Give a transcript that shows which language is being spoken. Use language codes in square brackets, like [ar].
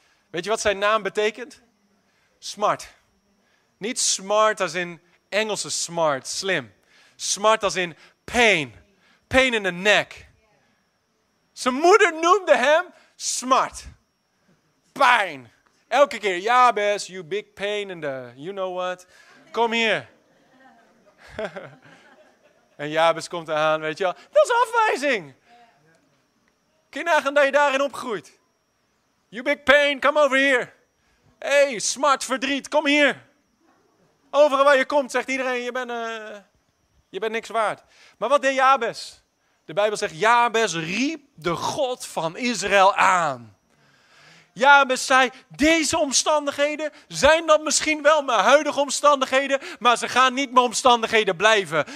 [nl] Weet je wat zijn naam betekent? Smart. Niet smart als in Engelse smart, slim. Smart als in [en] pain. Pain in the neck. [nl] Zijn moeder noemde hem smart. Pijn. Elke keer, [en] Jabes, you big pain in the, you know what. [nl] Kom hier. En Jabes komt eraan, weet je wel. Dat is afwijzing. Kun je nagaan dat je daarin opgroeit? [en] You big pain, come over here. [nl] Hey, smart verdriet, kom hier. Overal waar je komt, zegt iedereen, je bent niks waard. Maar wat deed Jabes? De Bijbel zegt, Jabes riep de God van Israël aan. Jabes zei, deze omstandigheden zijn dan misschien wel mijn huidige omstandigheden, maar ze gaan niet mijn omstandigheden blijven.